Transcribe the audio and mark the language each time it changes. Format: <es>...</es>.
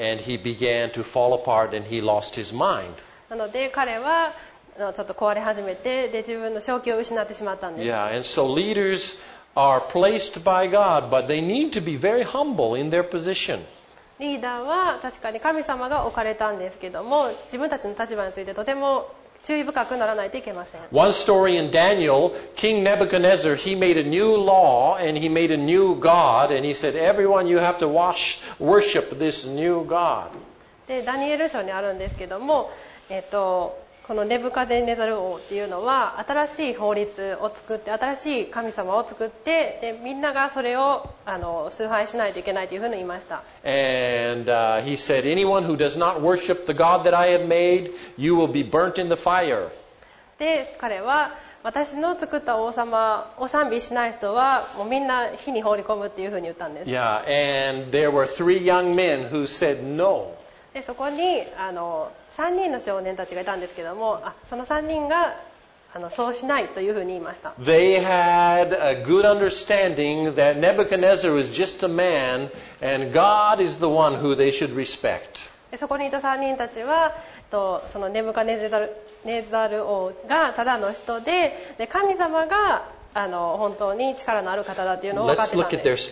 <en>Yeah, and he began to fall apart and he lost his mind.</en> <ja>なので彼はちょっと壊れ始めて、で自分の正気を失ってしまったんです。</ja> <en>Yeah, and so leaders are placed by God, but they need to be very humble in their position.</en> <ja>リーダーは確かに神様が置かれたんですけども、自分たちの立場についてとても注意深くならないといけません。</ja> <en>One story in Daniel, King Nebuchadnezzar, he made a new law and he made a new God and he said, everyone, you have to worship this new God.</en> <ja>で、ダニエル書にあるんですけども、このネブカデネザル王っていうのは新しい法律を作って、新しい神様を作って、でみんながそれを崇拝しないといけないというふうに言いました。</ja> <en>And he said, anyone who does not worship the God that I have made, you will be burnt in the fire.</en> <ja>で、彼は私の作った王様を賛美しない人はもうみんな火に放り込むっていうふうに言ったんです。</ja> <en>Yeah, and there were three young men who said no.</en> <ja>で、そこに3人の少年たちがいたんですけども、その3人がそうしないというふうに言いました。</ja> <en>They had a good understanding that Nebuchadnezzar was just a man and God is the one who they should respect.</en> <ja>で、そこにいた3人たちはそのネブカネザル王がただの人 で神様が本当に力のある方だというのを分かってたんです。</ja>